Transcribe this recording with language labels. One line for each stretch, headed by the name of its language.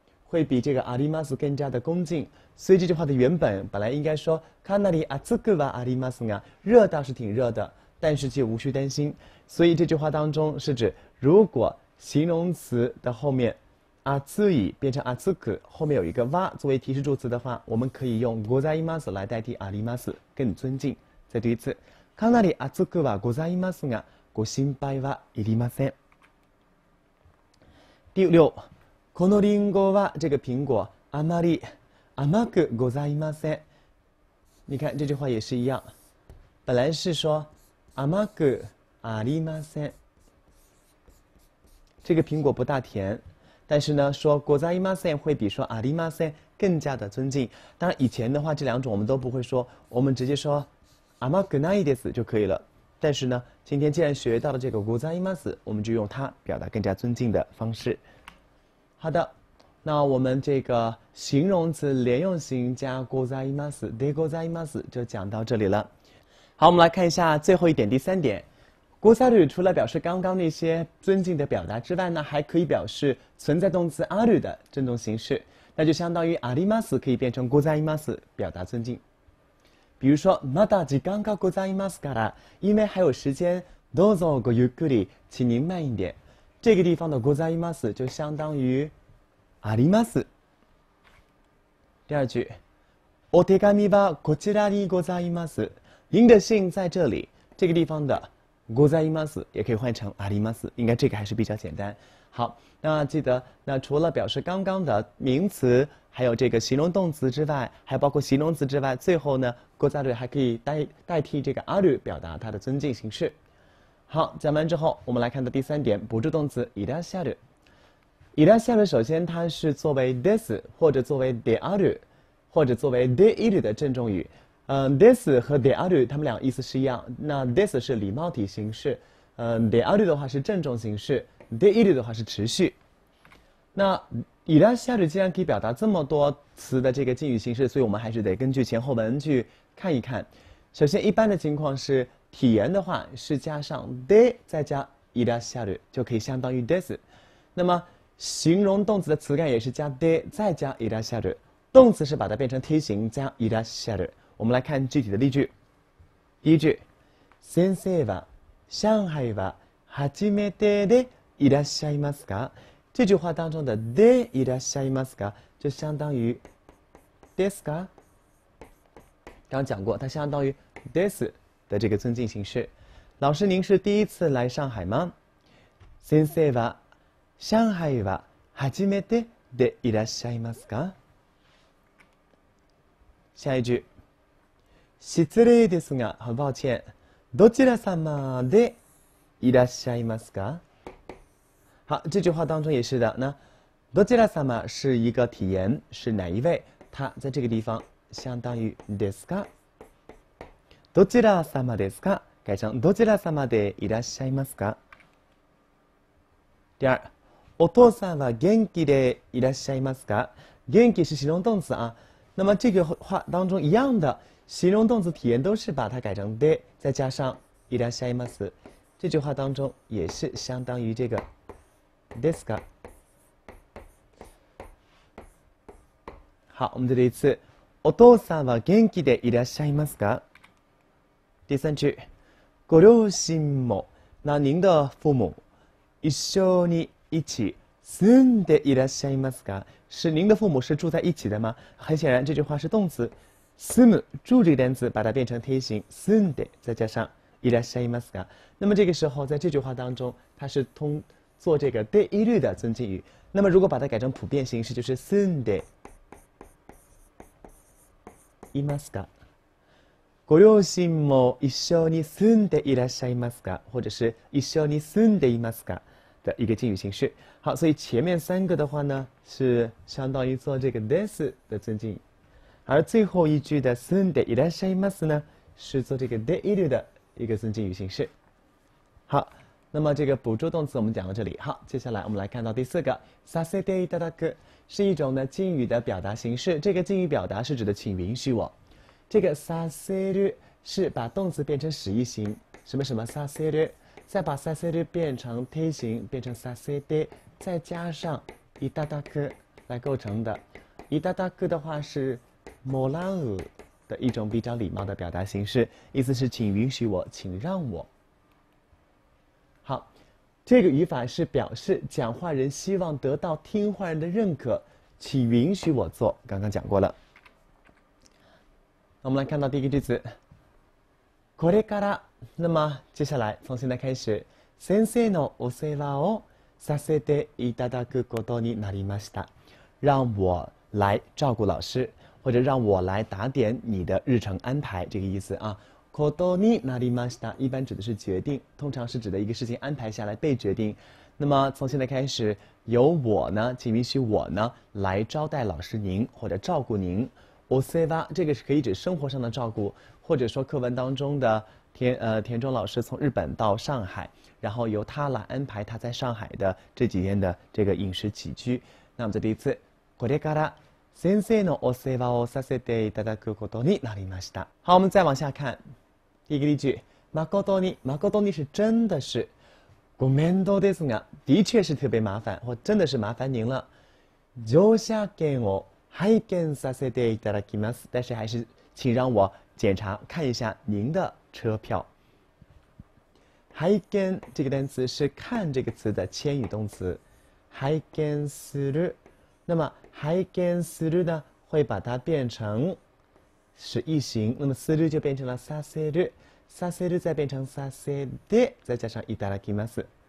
Chinese: 会比这个あります更加的恭敬，所以这句话的原本本来应该说
Japanese: かなり暑くはありますが，
Chinese: 热倒是挺热的，但是却无需担心。所以这句话当中是指，如果形容词的后面暑い变成暑く，后面有一个は作为提示助词的话，我们可以用ございます来代替あります，更尊敬。再读一次，
Japanese: かなり暑くはございますが、ご心配はいりません。
Chinese: 第六。
Japanese: このリンゴは
Chinese: 这个苹果
Japanese: あまり甘くございません。
Chinese: 你看这句话也是一样，本来是说
Japanese: 甘くありません。
Chinese: 这个苹果不大甜，但是呢，说ございません会比说ありません更加的尊敬。当然以前的话，这两种我们都不会说，我们直接说
Japanese: 甘くないです
Chinese: 就可以了。但是呢，今天既然学到了这个ございます，我们就用它表达更加尊敬的方式。好的，那我们这个形容词连用型加ございます、でございます就讲到这里了。好，我们来看一下最后一点，第三点。ござる除了表示刚刚那些尊敬的表达之外呢，还可以表示存在动词ある的正动形式，那就相当于あります可以变成ございます表达尊敬。比如说
Japanese: まだ時間がございますから，
Chinese: 因为还有时间，
Japanese: どうぞごゆっくり，
Chinese: 请您慢一点。这个地方的ございます就相当于
Japanese: あります。
Chinese: 第二句，
Japanese: お手紙はこちらにございます。
Chinese: 您的信在这里。这个地方的ございます也可以换成あります。应该这个还是比较简单。好，那记得，那除了表示刚刚的名词，还有这个形容动词之外，还包括形容词之外，最后呢，ござる还可以代替这个ある表达它的尊敬形式。好，讲完之后，我们来看到第三点，补助动词いらっしゃる。いらっしゃる首先它是作为です或者作为である或者作为でいる的正重语。です和である它们俩意思是一样。那です是礼貌体形式，である的话是正重形式，でいる的话是持续。那いらっしゃる既然可以表达这么多词的这个敬语形式，所以我们还是得根据前后文去看一看。首先，一般的情况是。体言的话是加上 で 再加いらっしゃる就可以相当于 です。那么形容动词的词干也是加 で 再加いらっしゃる，动词是把它变成梯形加いらっしゃる。我们来看具体的例句。第一句，
Japanese: 先生は上海は初めてでいらっしゃいますか？
Chinese: 这句话当中的
Japanese: でいらっしゃいますか
Chinese: 就相当于ですか？刚讲过，它相当于です。的这个尊敬形式，老师您是第一次来上海吗？
Japanese: 先生は上海は初めてでいらっしゃいますか？
Chinese: 下一句。
Japanese: 失礼ですが、
Chinese: 很抱歉。
Japanese: どちら様でいらっしゃいますか？
Chinese: 好，这句话当中也是的。那どちら様是一个体言，是哪一位？它在这个地方相当于ですか。
Japanese: どちら様ですか？
Chinese: 改成
Japanese: どちら様でいらっしゃいますか？
Chinese: 第二，
Japanese: お父さんは元気でいらっしゃいますか？
Chinese: 元気是形容动词啊。那么这个话当中一样的形容动词体言都是把它改成で，再加上いらっしゃいます。这句话当中也是相当于这个。
Japanese: ですか。
Chinese: 好，我们再来一次。
Japanese: お父さんは元気でいらっしゃいますか。
Chinese: 第三句。
Japanese: ご両親も、
Chinese: 那您的父母、
Japanese: 一緒に
Chinese: 一起
Japanese: 住んでいらっしゃいますか。
Chinese: 是您的父母是住在一起的吗？很显然，这句话是动词。住む，住这个单词，把它变成贴形住んで，再加上いらっしゃいますか。那么这个时候，在这句话当中，它是通。做这个でいる的尊敬语，那么如果把它改成普遍形式，就是
Japanese: 住んでいますか？ご両親も一緒に住んでいらっしゃいますか？或者是一緒に住んでいますか？
Chinese: 的一个敬语形式。好，所以前面三个的话呢，是相当于做这个です的尊敬语，而最后一句的住んでいらっしゃいます呢，是做这个でいる的一个尊敬语形式。好。那么这个补助动词我们讲到这里，好，接下来我们来看到第四个，させていただく是一种呢敬语的表达形式。这个敬语表达是指的请允许我。这个させる是把动词变成实义形，什么什么させる，再把させる变成贴形，变成させて，再加上いただく来构成的。いただく的话是もらう的一种比较礼貌的表达形式，意思是请允许我，请让我。这个语法是表示讲话人希望得到听话人的认可，请允许我做。刚刚讲过了。我们来看到第一个句子，これから。那么接下来，从现在开始，
Japanese: 先生のお世話をさせていただくことになりました。
Chinese: 让我来照顾老师，或者让我来打点你的日程安排，这个意思啊。ことになりました，一般指的是决定，通常是指的一个事情安排下来被决定。那么从现在开始，由我呢，请允许我呢来招待老师您或者照顾您。お世話，这个是可以指生活上的照顾，或者说课文当中的田中老师从日本到上海，然后由他来安排他在上海的这几天的这个饮食起居。那么再第一次，これから。
Japanese: 先生のお世話をさせていただくことになりました。
Chinese: 好，我们再往下看。第一个例句，
Japanese: まことに、まことに
Chinese: 是真的是、
Japanese: ごめんどですが、
Chinese: 的确是特别麻烦，或真的是麻烦您了。
Japanese: 乗車券を拝見させていただきます。
Chinese: 但是还是请让我检查看一下您的车票。拝見这个单词是看这个词的谦语动词，拝見する。那么拝見する呢，会把它变成是一形，那么する就变成了させる，させる再变成させて，再加上いただきます。